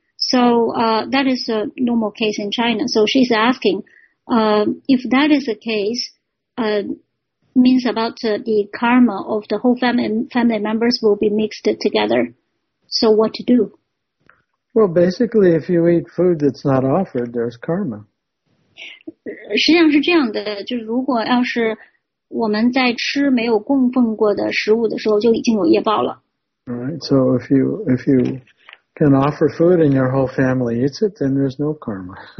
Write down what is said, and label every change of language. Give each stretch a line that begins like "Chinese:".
English: So that is a normal case in China. So she's asking, if that is the case, means about the karma of the whole family members will be mixed together. So what to do? Well, basically, if you eat food that's not offered, there's karma.
Chinese: 实际上是这样的，就是如果要是我们在吃没有供奉过的食物的时候，就已经有业报了。
English: Right. So if you can offer food and your whole family eats it, then there's no karma.